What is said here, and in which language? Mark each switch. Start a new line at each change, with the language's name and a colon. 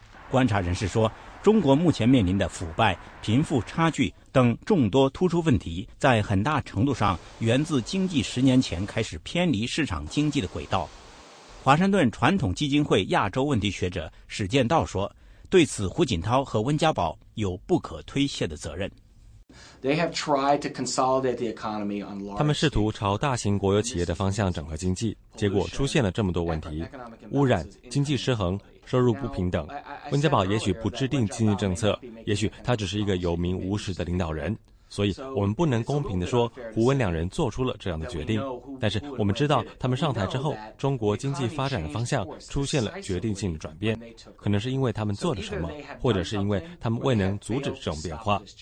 Chinese: 观察人士说，中国目前面临的腐败、贫富差距等众多突出问题，在很大程度上源自经济10年前开始偏离市场经济的轨道。华盛顿传统基金会亚洲问题学者史建道说，对此胡锦涛和温家宝有不可推卸的责任。
English: They have tried to consolidate the economy on large.
Chinese: 他们试图朝大型国有企业的方向整合经济，结果出现了这么多问题：污染、经济失衡、收入不平等。温家宝也许不制定经济政策，也许他只是一个有名无实的领导人。所以我们不能公平地说胡温两人做出了这样的决定，但是我们知道他们上台之后中国经济发展的方向出现了决定性的转变，可能是因为他们做了什么，或者是因为他们未能阻止这种变化。